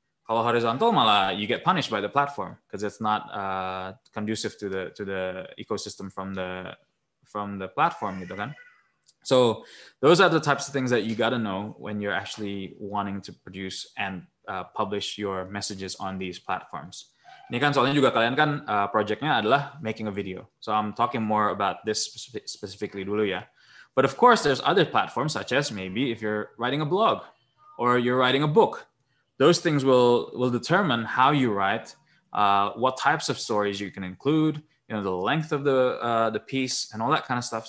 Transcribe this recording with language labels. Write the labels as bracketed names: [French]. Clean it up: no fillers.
[Indonesian] Kalau horizontal malah [English] you get punished by the platform because it's not conducive to the ecosystem from the platform, [Indonesian] gitu kan? [English] So those are the types of things that you got to know when you're actually wanting to produce and publish your messages on these platforms. [Indonesian] Ini kan soalnya juga kalian kan projectnya adalah [English] making a video. So I'm talking more about this specifically [Indonesian] dulu ya. [English] But of course there's other platforms such as maybe if you're writing a blog or you're writing a book. Those things will determine how you write, what types of stories you can include, you know, the length of the piece and all that kind of stuff.